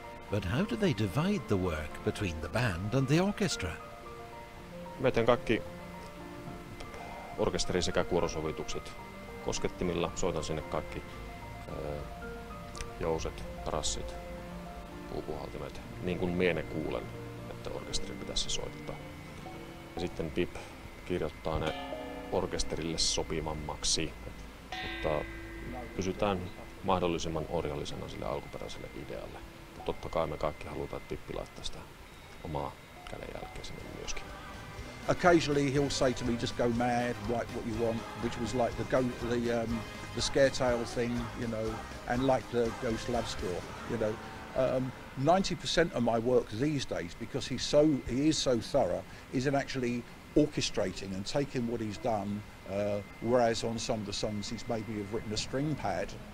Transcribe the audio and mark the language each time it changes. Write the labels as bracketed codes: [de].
[en] But how do they divide the work between the band and the orchestra? [fi] Me teemme kaikki orkesteri sekä kuorosovitukset koskettimilla. Soitan sinne kaikki jouset, rassit, puupuhaltimet, niin kuin mie ne kuulen, että orkesterin pitäisi soittaa. Ja sitten Pip, kirjoittaa ne orkesterille sopivammaksi, mutta pysytään mahdollisimman orjallisena sille alkuperäiselle idealle. Totta kai me kaikki halutaan, että Pippi laittaa sitä omaa kädenjälkeä sinne myöskin. [en] Occasionally he'll say to me, just go mad, write what you want, which was like the scaretail thing, you know, and like the ghost lab score, you know. 90% of my work these days, because he is so thorough, is in actually orchestrating and taking what he's done, whereas on some of the songs he's maybe have written a string pad.